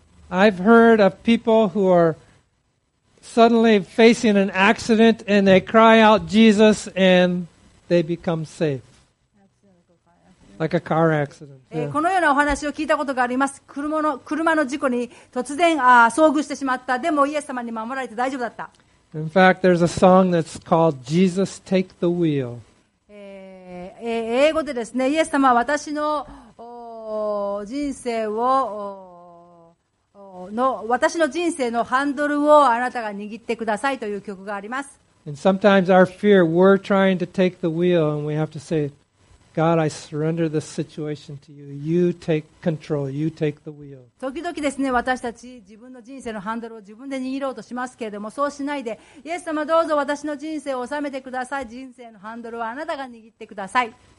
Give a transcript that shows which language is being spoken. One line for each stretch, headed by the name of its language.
English: I've heard of people who are suddenly facing an accident and they cry out Jesus and they become safe. Like、a car accident. Yeah.
Japanese: このようなお話を聞いたことがあります。車の事故に突然遭遇してしまった。でもイエス様に守られて大丈夫だった。
English: In fact, there's a song that's called Jesus Take the Wheel.
Japanese: 英語でですね、イエス様は私の人生をの私の人生のハンドルをあなたが握ってくださいという曲があります。
English: And sometimes our fear, we're trying to take the wheel, and we have to say. God, I surrender this situation to you. You take control. You take the wheel.
Japanese: 時々ですね、私たち自分の人生のハンドルを自分で握ろうとしますけれども、そうしないで、イエス様どうぞ私の人生を収めてください。人生のハンドルはあなたが握ってください。